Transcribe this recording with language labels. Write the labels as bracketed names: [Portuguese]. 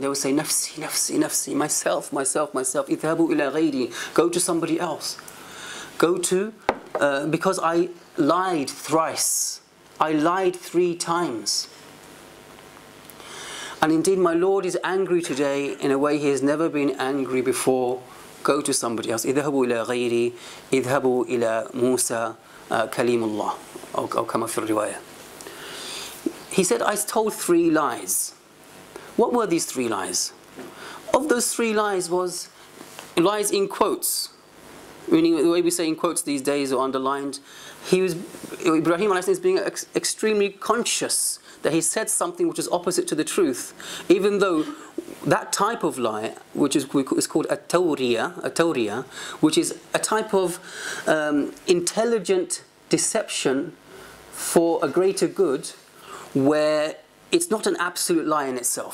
[English] They will say, [Arabic] نفسي, نفسي, نفسي, [English] myself, myself, myself, [Arabic] اذهبوا إلى غيري, [English] go to somebody else. Go to, because I lied thrice. I lied three times. And indeed, my Lord is angry today in a way he has never been angry before. Go to somebody else. [Arabic] اذهبوا إلى غيري, اذهبوا إلى موسى كليم الله. أو كما في الرواية. [English] He said, I told three lies. What were these three lies? Of those three lies was lies in quotes. Meaning the way we say in quotes these days or underlined. He was, Ibrahim alayhi salam, is being extremely conscious that he said something which is opposite to the truth, even though that type of lie, which is called a tawriya, which is a type of intelligent deception for a greater good, where it's not an absolute lie in itself.